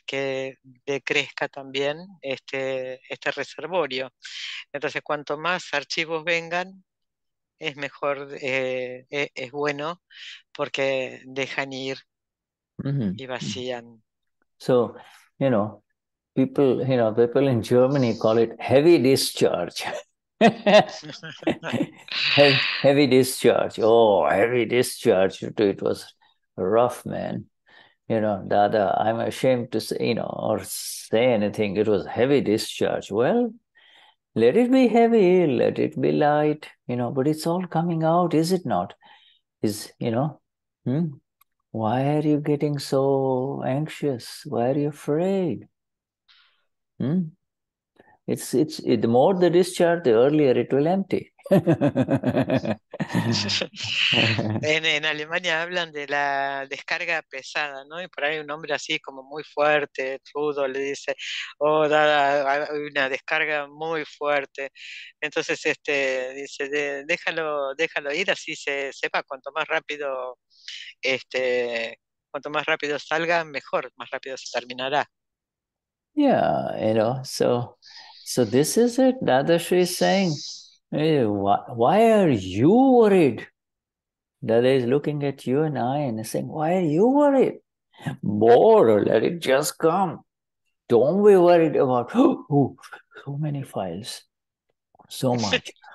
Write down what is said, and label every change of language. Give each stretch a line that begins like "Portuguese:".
Spanish: Que decrezca también este reservorio. Entonces, cuanto más archivos vengan, es mejor, es bueno, porque dejan ir y vacían.
English: So, you know, people in Germany call it heavy discharge. heavy discharge. Oh, heavy discharge. It was rough, man. You know, Dada, I'm ashamed to say, you know, or say anything. It was heavy discharge. Well, let it be heavy, let it be light, you know, but it's all coming out, is it not? Is, you know, why are you getting so anxious? Why are you afraid? It's the more the discharge, the earlier it will empty.
Spanish: en Alemania hablan de la descarga pesada, ¿no? Y por ahí un hombre así como muy fuerte, rudo, le dice, oh, Dada, hay una descarga muy fuerte. Entonces dice, déjalo ir, así se sepa, cuanto más rápido salga, mejor, más rápido se terminará.
English: Yeah, you know, so this is it, Dadashri is saying. Why are you worried? Dada is looking at you and I and saying, why are you worried? More, let it just come. Don't be worried about so many files. So much.